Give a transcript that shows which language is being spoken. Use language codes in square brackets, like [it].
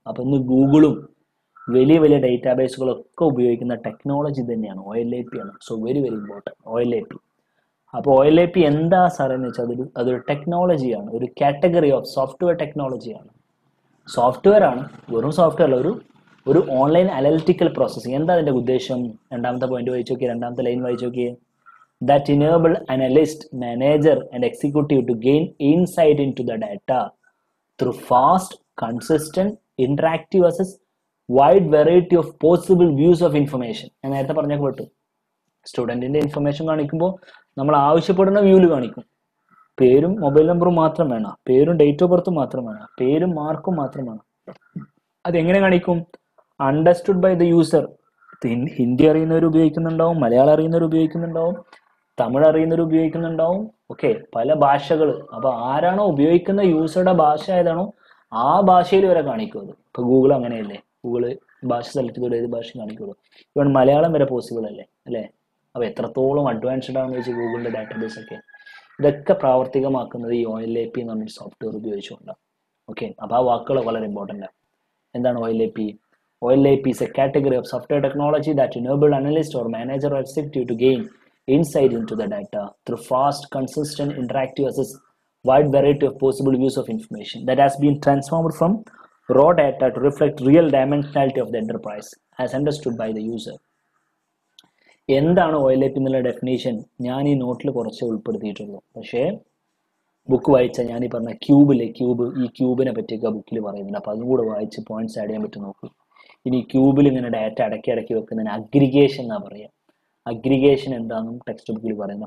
[ml] അപ്പോൾ ഇന്ന് ഗൂഗിളും വലിയ വലിയ ഡേറ്റാ ബേസുകളൊക്കെ ഉപയോഗിക്കുന്ന ടെക്നോളജി തന്നെയാണ് ഒ എൽ എ പി ആണ്. [en] so very very important [ml] O L A P. അപ്പോൾ ഒ എൽ എ പി എന്താ സാർ എന്ന് വെച്ചാൽ, അതൊരു അതൊരു ടെക്നോളജിയാണ്, ഒരു കാറ്റഗറി ഓഫ് സോഫ്റ്റ്വെയർ ടെക്നോളജിയാണ്. സോഫ്റ്റ്വെയർ ആണ്, വെറും സോഫ്റ്റ്വെയർ അല്ല, ഒരു ഒരു ഓൺലൈൻ അനലിറ്റിക്കൽ പ്രോസസ്സിംഗ്. എന്താ അതിൻ്റെ ഉദ്ദേശം? രണ്ടാമത്തെ പോയിന്റ് വായിച്ചു നോക്കിയാൽ, [en] രണ്ടാമത്തെ ലൈൻ വായിച്ചു നോക്കിയാൽ, that enable analyst, manager and executive to gain insight into the data through fast, consistent, interactive access, wide variety of possible views of information. [ml] ഞാൻ നേരത്തെ പറഞ്ഞൊക്കെ വിട്ടു, സ്റ്റുഡൻറ്റിൻ്റെ ഇൻഫർമേഷൻ കാണിക്കുമ്പോൾ നമ്മൾ ആവശ്യപ്പെടുന്ന വ്യൂവിൽ കാണിക്കും. പേരും മൊബൈൽ നമ്പറും മാത്രം വേണം, പേരും ഡേറ്റ് ഓഫ് ബർത്തും മാത്രം വേണം, പേരും മാർക്കും മാത്രം വേണം. അതെങ്ങനെ കാണിക്കും? [en] Understood by the user. [ml] Hindi അറിയുന്നവർ ഉപയോഗിക്കുന്നുണ്ടാവും, മലയാളം അറിയുന്നവർ ഉപയോഗിക്കുന്നുണ്ടാവും, തമിഴ് അറിയുന്നവർ ഉപയോഗിക്കുന്നുണ്ടാവും, ഓക്കെ, പല ഭാഷകൾ. അപ്പോൾ ആരാണോ ഉപയോഗിക്കുന്ന യൂസറുടെ ഭാഷ ഏതാണോ ആ ഭാഷയിൽ വരെ കാണിക്കുന്നത്. ഇപ്പോൾ ഗൂഗിൾ അങ്ങനെയല്ലേ, ഗൂഗിള് ഭാഷ സെലക്ട് ചെയ്ത് ഏത് ഭാഷ കാണിക്കുള്ളൂ. ഇവൺ മലയാളം വരെ പോസിബിൾ അല്ലേ, അല്ലേ? അപ്പോൾ എത്രത്തോളം അഡ്വാൻസ്ഡ് ആണെന്ന് വെച്ചാൽ ഗൂഗിളിൻ്റെ ഡാറ്റാബേസ് ഒക്കെ. ഇതൊക്കെ പ്രാവർത്തികമാക്കുന്നത് ഈ ഒ എൽ എ പി എന്ന് പറഞ്ഞ സോഫ്റ്റ്വെയർ ഉപയോഗിച്ചുകൊണ്ടാണ്. ഓക്കെ, അപ്പോൾ ആ വാക്കുകൾ വളരെ ഇമ്പോർട്ടൻ്റ് ആണ്. എന്താണ് O L A P? [en] O L A P is a category of software technology that enable analyst or manager or executive to gain insight into the data through fast, consistent, interactive access, wide variety of possible views of information that has been transformed from raw data to reflect real dimensionality of the enterprise as understood by the user. [ml] എന്താണ് oil എപ്പ് എന്നുള്ള definition? ഞാൻ ഈ നോട്ടിൽ കുറച്ച് ഉൾപ്പെടുത്തിയിട്ടുള്ളൂ, പക്ഷേ book വായിച്ച ഞാൻ ഈ പറഞ്ഞ ക്യൂബിലെ ക്യൂബ്, ഈ ക്യൂബിനെ പറ്റിയൊക്കെ ബുക്കിൽ പറയുന്നുണ്ട്. അപ്പോൾ അതും കൂടെ വായിച്ച് പോയിന്റ്സ് ആഡ് ചെയ്യാൻ പറ്റും. നോക്കൂ, ഇനി ക്യൂബിൽ ഇങ്ങനെ ഡാറ്റ അടക്കി അടക്കി വെക്കുന്നതിന് അഗ്രിഗേഷൻ എന്നാ പറയുക, അഗ്രിഗേഷൻ എന്താണെന്നും ടെക്സ്റ്റ് ബുക്കിൽ പറയുന്നത്.